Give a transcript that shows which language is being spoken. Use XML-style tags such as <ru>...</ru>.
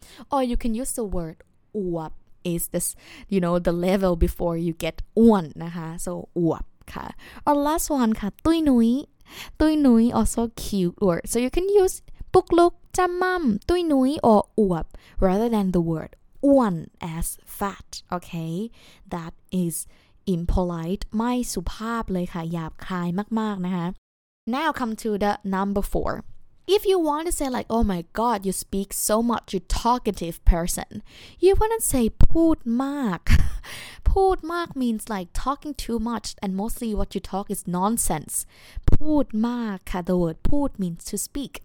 <en>Or you can use the word uap. Is this, you know, the level before you get uan, nah? So uap ka. Or last one ka, tui nui. Tui nui, also cute word. So you can use bukluk, jammam, tui nui, or uap rather than the word one as fat, okay? That is impolite.</en> <th>ไม่สุภาพเลยค่ะ หยาบคายมากๆ นะคะ</th> <en>Now come to the number 4. If you want to say like, oh my god, you speak so much, you talkative person, you wouldn't say พูดมาก พูดมาก means like talking too much, and mostly what you talk is nonsense. พูดมากค่ะ The word พูด means to speak.</en>